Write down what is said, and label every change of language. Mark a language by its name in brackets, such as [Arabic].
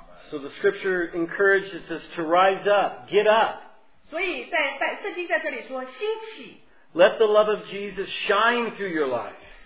[English] So the scripture encourages us to rise up, get up. [Chinese] 所以在圣经在这里说,兴起, [English] let the love of Jesus shine through your life.